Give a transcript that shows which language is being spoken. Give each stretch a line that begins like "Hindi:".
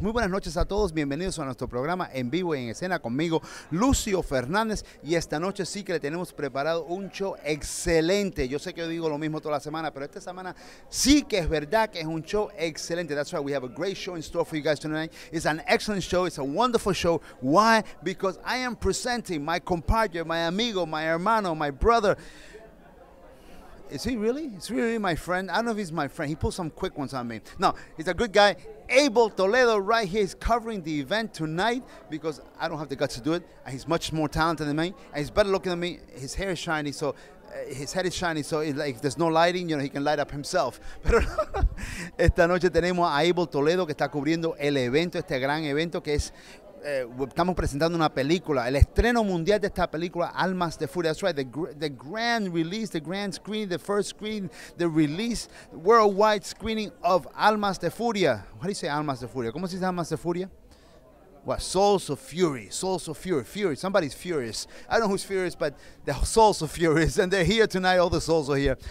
Spanish: Muy buenas noches a todos, bienvenidos a nuestro programa en vivo y en escena conmigo, Lucio Fernández. Y esta noche sí que le tenemos preparado un show excelente. Yo sé que digo lo mismo toda la semana, pero esta semana sí que es verdad que es un show excelente.
English: That's why we have a great show in store for you guys tonight. It's an excellent show, it's a wonderful show. Why? Because I am presenting my compadre, my amigo, my hermano, my brother. Is he really? Is he really my friend? I don't know if he's my friend. He pulled some quick ones on me. No, he's a good guy. Abel Toledo right here is covering the event tonight because I don't have the guts to do it. And he's much more talented than me. And he's better looking than me. His hair is shiny, so his head is shiny, so it, like, if there's no lighting, you know, he can light up himself.
Spanish: Pero esta noche tenemos a Abel Toledo que está cubriendo el evento, este gran evento que es... estamos presentando una película, el estreno mundial de esta película, Almas de Furia.
English: That's right, the grand release, the grand screening, the first screen, the release, worldwide screening of Almas de Furia. How do you say Almas de Furia?
Spanish: ¿Cómo se dice Almas de Furia?
English: What? Souls of Fury. Souls of Fury. Fury. Somebody's furious. I don't know who's furious, but the souls are furious. And they're here tonight. All the souls are here.